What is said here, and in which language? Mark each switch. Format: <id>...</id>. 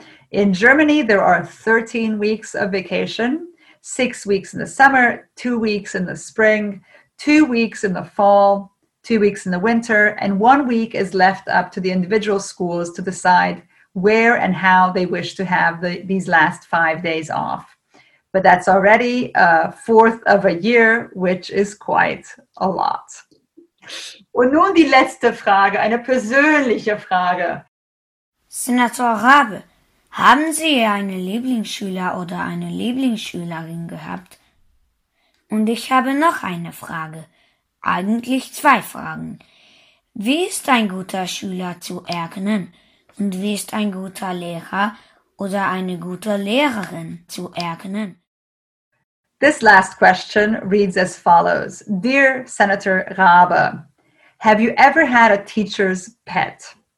<en>In Germany, there are 13 weeks of vacation, 6 weeks in the summer, 2 weeks in the spring, 2 weeks in the fall, 2 weeks in the winter, and 1 week is left up to the individual schools to decide where and how they wish to have these last 5 days off. But that's already a fourth of a year, which is quite a lot.</en> <de>Und nun die letzte Frage, eine persönliche Frage. Senator Rabe, haben Sie einen Lieblingsschüler oder eine Lieblingsschülerin gehabt? Und ich habe noch eine Frage, eigentlich 2 Fragen. Wie ist ein guter Schüler zu erkennen? Und wie ist ein guter Lehrer oder eine gute Lehrerin zu erkennen?</de> <en>This last question reads as follows. Dear Senator Rabe, have you ever had a teacher's pet?</en>